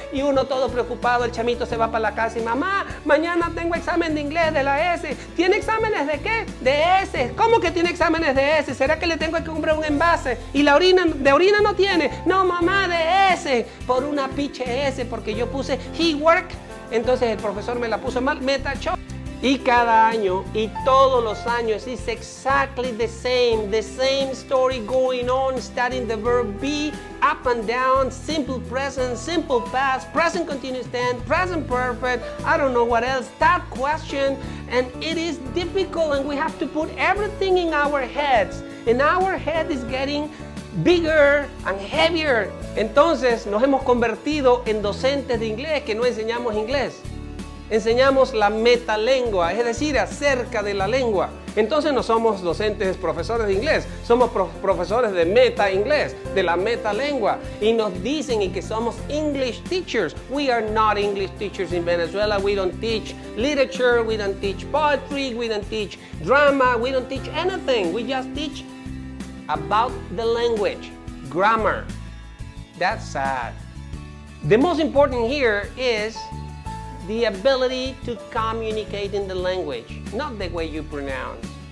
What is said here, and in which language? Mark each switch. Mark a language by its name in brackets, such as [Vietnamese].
[Spanish] Y uno todo preocupado, el chamito se va para la casa y mamá, mañana tengo examen de inglés de la S. ¿Tiene exámenes de qué? De S. ¿Cómo que tiene exámenes de S? ¿Será que le tengo que comprar un envase? Y la orina, de orina no tiene. No, mamá, de S. Por una piche S, porque yo puse he work. Entonces el profesor me la puso mal, me tachó. [English] Y cada año, y todos los años, it's exactly the same story going on, studying the verb be, up and down, simple present, simple past, present continuous tense, present perfect, I don't know what else, that question, and it is difficult, and we have to put everything in our heads, and our head is getting bigger and heavier. [Spanish] Entonces, nos hemos convertido en docentes de inglés que no enseñamos inglés. Enseñamos la metalengua, es decir, acerca de la lengua. Entonces no somos docentes profesores de inglés, somos profesores de meta inglés, de la metalengua. Y nos dicen que somos English teachers. [English] We are not English teachers in Venezuela. We don't teach literature, we don't teach poetry, we don't teach drama, we don't teach anything. We just teach about the language, grammar. That's sad. The most important here is the ability to communicate in the language, not the way you pronounce.